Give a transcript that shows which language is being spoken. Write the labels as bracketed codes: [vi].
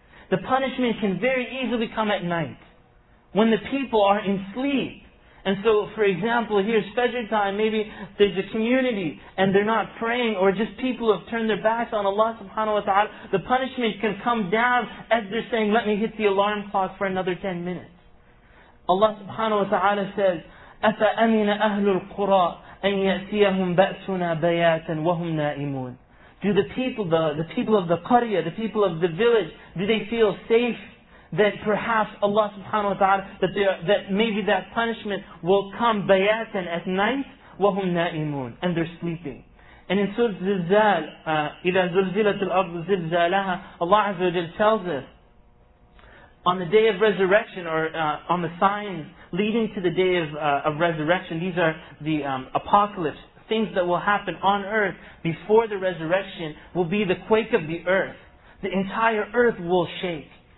[en] The punishment can very easily come at night, when the people are in sleep. And so, for example, here's Fajr time, maybe there's a community and they're not praying, or just people have turned their backs on Allah subhanahu wa ta'ala. The punishment can come down as they're saying, let me hit the alarm clock for another 10 minutes. Allah subhanahu wa ta'ala says, [ar] أَفَأَمِنَ أَهْلُ الْقُرَىٰ أَنْ يَأْتِيَهُمْ بَأْسُنَا بَيَاتًا وَهُمْ نَائِمُونَ. [en] Do the people of the qariya, the people of the village, do they feel safe? That perhaps Allah subhanahu wa ta'ala, that maybe that punishment will come bayatan at night, wahum na'imun, and they're sleeping. And in Surah Zilzal, [ar] إِذَا زُلْزِلَةُ الْأَرْضُ زِلْزَالَهَا, [en] Allah azza wa jal tells us, on the day of resurrection, or on the signs leading to the day of resurrection, these are the apocalypse, things that will happen on earth before the resurrection, will be the quake of the earth. The entire earth will shake.